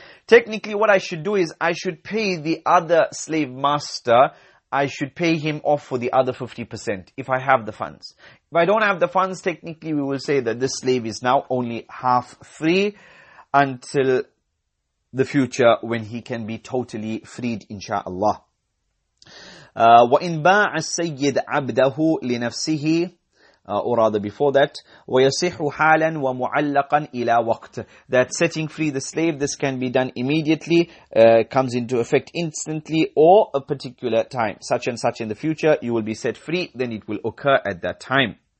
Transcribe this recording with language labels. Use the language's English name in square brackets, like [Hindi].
[English] Technically, what I should do is I should pay the other slave master, I should pay him off for the other 50% if I have the funds. If I don't have the funds, technically we will say that this slave is now only half free until the future when he can be totally freed, insha'Allah. [Arabic] وَإِن بَاعَ السَّيِّدْ عَبْدَهُ لِنَفْسِهِ or rather before that, وَيَصِحُ حَالًا وَمُعَلَّقًا إِلَى وَقْتٍ. [English] That setting free the slave, this can be done immediately, comes into effect instantly or a particular time, such and such in the future, you will be set free, then it will occur at that time.